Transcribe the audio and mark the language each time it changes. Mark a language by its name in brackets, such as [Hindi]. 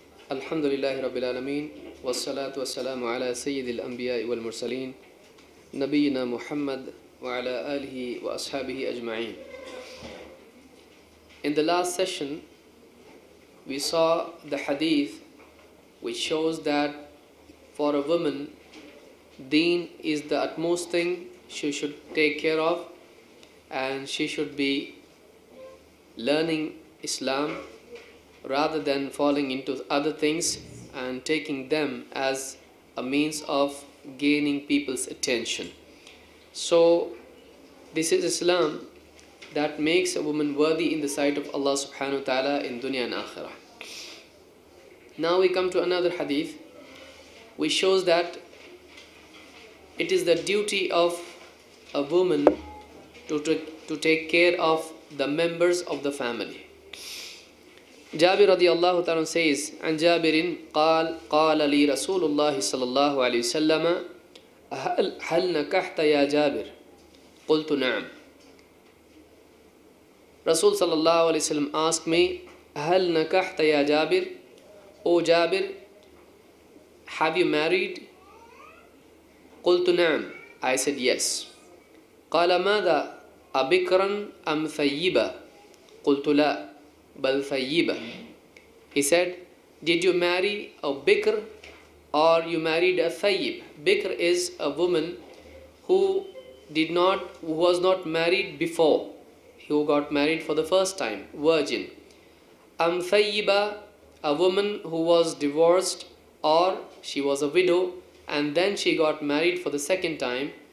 [Arabic] الحمد لله رب العالمين والصلاة والسلام على سيد الأنبياء والمرسلين نبينا محمد وعلى آله وأصحابه أجمعين. [English] In the last session, we saw the hadith which shows that for a woman, deen is the utmost thing she should take care of, and she should be learning Islam rather than falling into other things and taking them as a means of gaining people's attention. So this is Islam that makes a woman worthy in the sight of Allah subhanahu wa ta'ala in dunya and akhirah. Now we come to another hadith which shows that it is the duty of a woman to take care of the members of the family. [Arabic] جابر رضي الله تعالى عنه [English] says, [Arabic] عن جابر قال قال لي رسول الله صلى الله عليه وسلم هل نكحت يا جابر قلت نعم. رسول صلى الله عليه وسلم [English] asked me, [Arabic] هل نكحت يا جابر, [English] O Jabir, have you married? [Arabic] قلت نعم, [English] I said yes. [Arabic] قال ماذا أبكرا أم ثيبا قلت لا بل ثيبا. [English] He said, did you marry a bikr or you married a thayyib? Bikr is a woman who was not married before. Who got married for the first time, virgin. Am thayyiba, a woman who was divorced or she was a widow and then she got married for the second time.